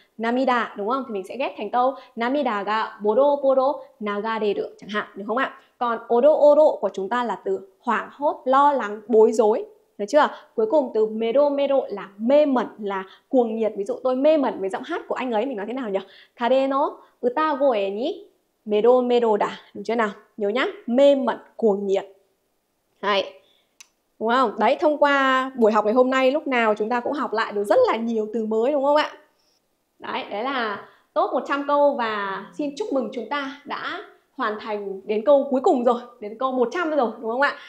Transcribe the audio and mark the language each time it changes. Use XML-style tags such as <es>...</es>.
<vi>Namida, đúng không? Thì mình sẽ ghép thành câu</vi> <ja>Namida ga bodo nagareru</ja> <vi>chẳng hạn, đúng không ạ? Còn odo của chúng ta là từ hoảng hốt, lo lắng, bối rối. Được chưa? Cuối cùng từ mero mero là mê mẩn, là cuồng nhiệt. Ví dụ tôi mê mẩn với giọng hát của anh ấy, mình nói thế nào nhỉ?</vi> <ja>Kare no utagoe ni mero mero da.</ja> <vi>Được chưa nào? Nhớ nhá, mê mẩn, cuồng nhiệt. Đấy. Đúng không? Đấy, thông qua buổi học ngày hôm nay lúc nào chúng ta cũng học lại được rất là nhiều từ mới đúng không ạ? Đấy, đấy là top 100 câu và xin chúc mừng chúng ta đã hoàn thành đến câu cuối cùng rồi, đến câu 100 rồi đúng không ạ?</vi>